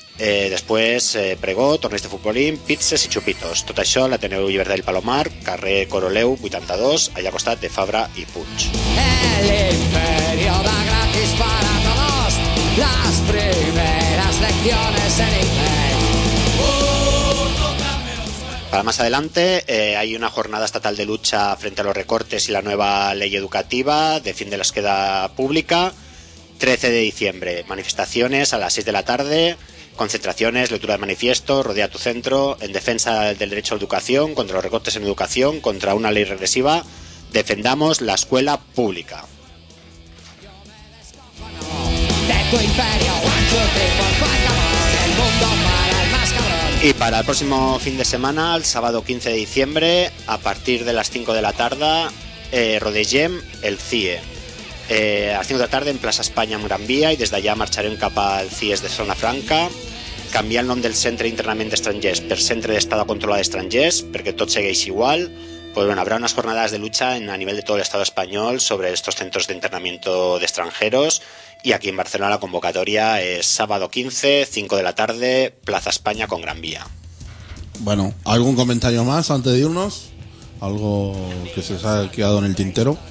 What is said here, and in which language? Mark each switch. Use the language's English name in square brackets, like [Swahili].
[Spanish] Después pregó, torneos de futbolín, pizzas y chupitos. [Catalan] Tot això, l'Ateneu Llibertat del Palomar, carrer Coroleu 82, allà al costat de Fabra i Puig. [Spanish] El imperio da gratis para todos las primeras lecciones en inglés. Para más adelante hay una jornada estatal de lucha frente a los recortes y la nueva ley educativa de fin de la escuela pública. 13 de diciembre, manifestaciones a las 6 de la tarde, concentraciones, lectura de manifiestos, rodea tu centro, en defensa del derecho a la educación, contra los recortes en educación, contra una ley regresiva, defendamos la escuela pública. Y para el próximo fin de semana, el sábado 15 de diciembre, a partir de las 5 de la tarde, [Catalan] rodegem el CIE. [Spanish] A las 5 de la tarde en Plaza España, en Gran Vía, y desde allá marcharemos [Catalan] cap al [Spanish] CIE de Zona Franca. [Catalan] Canviar el nom del centre d'internament d'estrangers per centre d'estat controlat d'estrangers perquè tot segueix igual. [Spanish] Pues bueno, habrá unas jornadas de lucha a nivel de todo el estado español sobre estos centros de internamiento de extranjeros, y aquí en Barcelona la convocatoria es sábado 15, 5 de la tarde, Plaza España con Gran Vía. Bueno, ¿algún comentario más antes de irnos? ¿Algo que se ha quedado en el tintero?